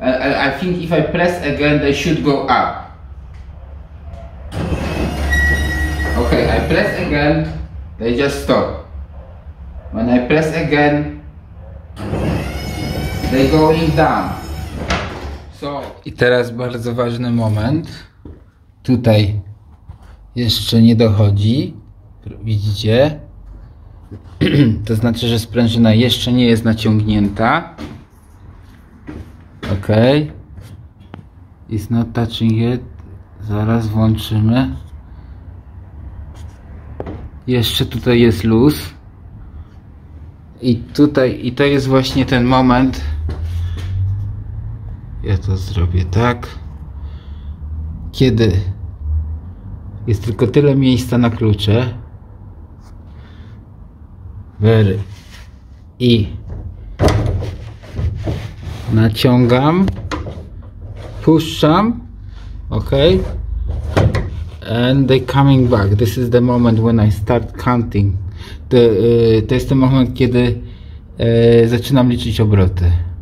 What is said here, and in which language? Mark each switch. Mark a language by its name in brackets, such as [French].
[English] I think if I press again, they should go up. Okay, I press again, they just stop. When I press again, they're going down. So. [Polish] I teraz bardzo ważny moment. Tutaj. Jeszcze nie dochodzi, widzicie, to znaczy, że sprężyna jeszcze nie jest naciągnięta, ok, [English] it's not touching yet, [Polish] zaraz włączymy, jeszcze tutaj jest luz i tutaj, i to jest właśnie ten moment, ja to zrobię tak, kiedy jest tylko tyle miejsca na klucze. Very. I naciągam. Puszczam. Ok. [English] And they coming back. This is the moment when I start counting. [Polish] To jest ten moment, kiedy zaczynam liczyć obroty.